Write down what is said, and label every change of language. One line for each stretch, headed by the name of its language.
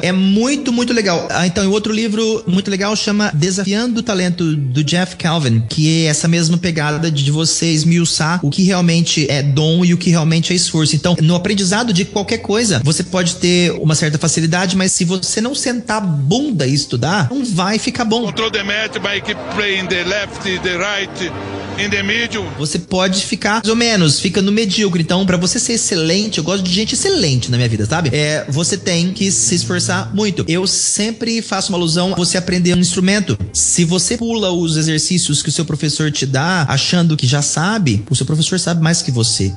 Portuguese: É muito, muito legal. Então, e outro livro muito legal chama Desafiando o Talento, do Jeff Calvin, que é essa mesma pegada de você esmiuçar o que realmente é dom e o que realmente é esforço. Então, no aprendizado de qualquer coisa, você pode ter uma certa facilidade, mas se você não sentar bunda e estudar, não vai ficar bom.
English: Control the mat by playing the left, the right, in the middle.
Portuguese: Você pode ficar mais ou menos, fica no medíocre. Então, pra você ser excelente, eu gosto de gente excelente na minha vida, sabe? É, você tem que se esforçar muito. Eu sempre faço uma alusão a você aprender um instrumento. Se você pula os exercícios que o seu professor te dá, achando que já sabe, o seu professor sabe mais que você.